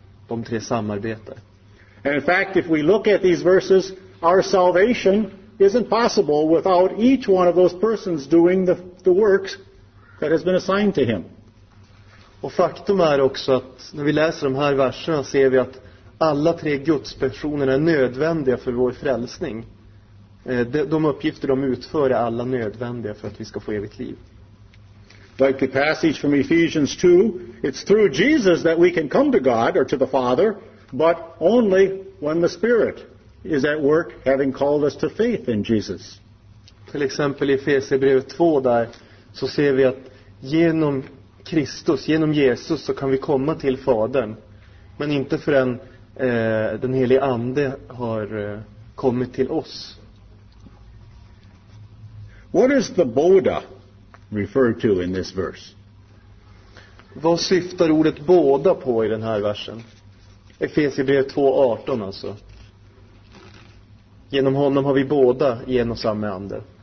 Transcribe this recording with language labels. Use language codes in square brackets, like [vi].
[en] And in fact, if we look at these verses, our salvation isn't possible without each one of those persons doing the works that has been assigned to him. [sv] Och faktum är också att när vi läser de här verserna ser vi att alla tre gudspersonerna är nödvändiga för vår frälsning. De uppgifter de utför är alla nödvändiga för att vi ska få evigt liv. [en] Like the passage from Ephesians 2, it's through Jesus that we can come to God or to the Father, but only when the Spirit is at work having called us to faith in Jesus. [sv] Till exempel i Efesierbrevet 2 där så ser vi att genom Kristus, genom Jesus så kan vi komma till Fadern. Men inte förrän den helige ande har kommit till oss. [en] What is the båda referred to in this verse? [sv] Vad syftar ordet båda på I den här versen? Efesierbrevet 2:18 alltså. Genom honom har vi båda en och samma ande.